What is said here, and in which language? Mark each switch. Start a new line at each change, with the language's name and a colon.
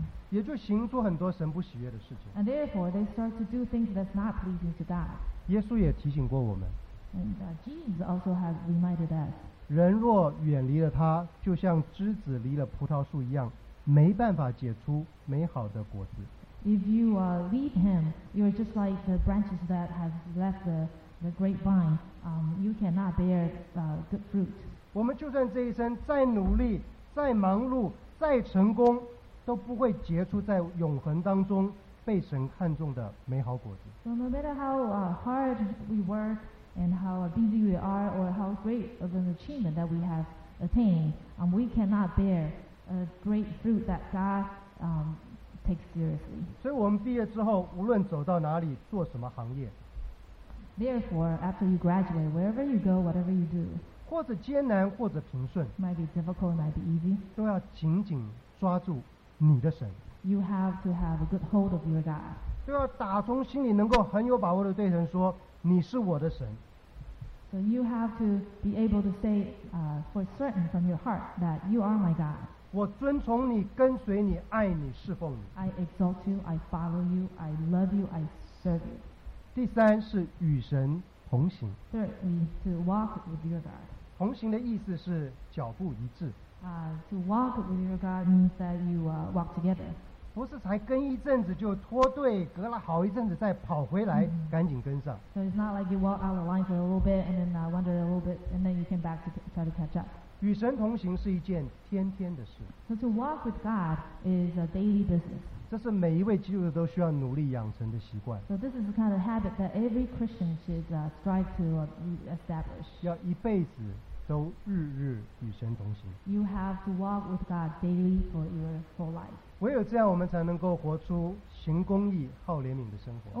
Chinese: 也就行做很多神不喜悦的事情。
English: And therefore, they start to do things that's not pleasing to God.
Chinese: 耶稣也提醒过我们。
English: And Jesus also has reminded us.
Chinese: 人若远离了他，就像枝子离了葡萄树一样，没办法结出美好的果子。
English: If you leave him, you are just like the branches that have left the grapevine. You cannot bear good fruit.
Chinese: 我们就算这一生再努力、再忙碌、再成功，都不会结出在永恒当中被神看中的美好果子。
English: So no matter how hard we work and how busy we are, or how great of an achievement that we have attained, we cannot bear a great fruit that God takes seriously.
Chinese: 所以我们毕业之后，无论走到哪里，做什么行业。
English: Therefore, after you graduate, wherever you go, whatever you do,
Chinese: 或者艰难，或者平顺
English: ，might be difficult, might be easy,
Chinese: 都要紧紧抓住你的神。
English: You have to have a good hold of your God.
Chinese: 都要打从心里能够很有把握的对神说，你是我的神。
English: So you have to be able to say for certain from your heart that you are my God.
Chinese: 我遵从你，跟随你，爱你，侍奉你。
English: I exalt you, I follow you, I love you, I serve you.
Chinese: 第三是与神同行。
English: Thirdly, to walk with your God.
Chinese: 同行的意思是脚步一致。
English: To walk with your God means that you walk together.
Chinese: 不是才跟一阵子就脱队，隔了好一阵子再跑回来，赶紧跟上。
English: So it's not like you walk out of line for a little bit and then wander a little bit and then you came back to try to catch up.
Chinese: 与神同行是一件天天的事。
English: So to walk with God is a daily business.
Chinese: 这是每一位基督徒都需要努力养成的习惯。
English: So this is the kind of habit that every Christian should strive to establish.
Chinese: 要一辈子都日日与神同行。
English: You have to walk with God daily for your whole life.
Chinese: 唯有这样，我们才能够活出行公义、好怜悯的生活。